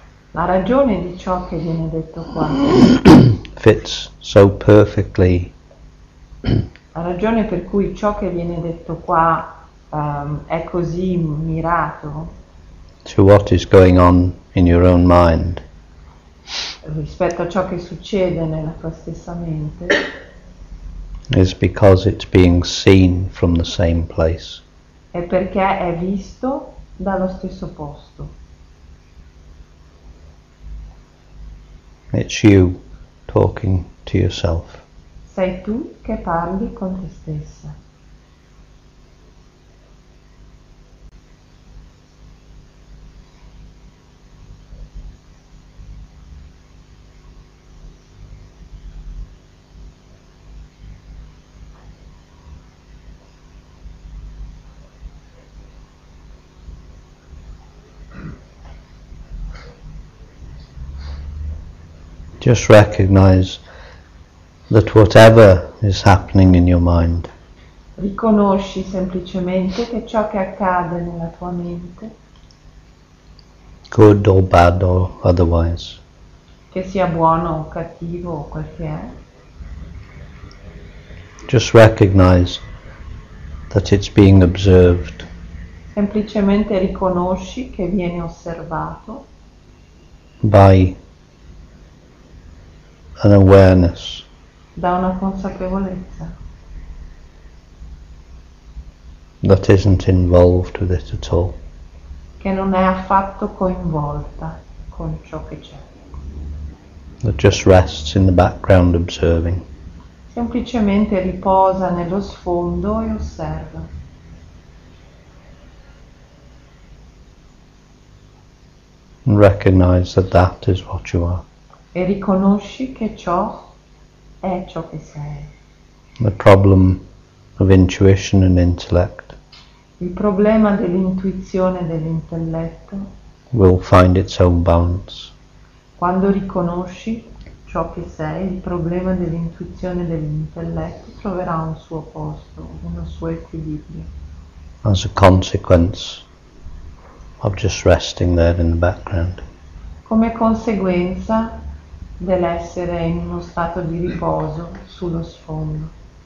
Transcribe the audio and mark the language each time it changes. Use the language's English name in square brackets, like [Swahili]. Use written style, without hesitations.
[Italian] La ragione di ciò che viene detto qua [English] fits so perfectly. [Italian] La ragione per cui ciò che viene detto qua è così mirato. [English] To what is going on in your own mind. [Italian] Rispetto a ciò che succede nella tua stessa mente. [English] Is because it's being seen from the same place. [Italian] È perché è visto dallo stesso posto. [English] It's you talking to yourself. [Italian] Sei tu che parli con te stessa. [English] Just recognize that whatever is happening in your mind. [Italian] Riconosci semplicemente che ciò che accade nella tua mente. [English] Good or bad or otherwise. [Italian] Che sia buono o cattivo o quel che è. [English] Just recognize that it's being observed. [Italian] Semplicemente riconosci che viene osservato. [English] By an awareness. [Italian] Da una consapevolezza. [English] That isn't involved with it at all. [Italian] Che non è affatto coinvolta con ciò che c'è. [English] That just rests in the background observing. [Italian] Semplicemente riposa nello sfondo e osserva. [English] And recognize that that is what you are. [Italian] E riconosci che ciò è ciò che sei. [English] The problem of intuition and intellect. [Italian] Il problema dell'intuizione e dell'intelletto. [English] Will find its own balance. [Italian] Quando riconosci ciò che sei, il problema dell'intuizione e dell'intelletto troverà un suo posto, un suo equilibrio. [English] As a consequence of just resting there in the background. [Italian] Come conseguenza dell'essere in uno stato di riposo sullo sfondo.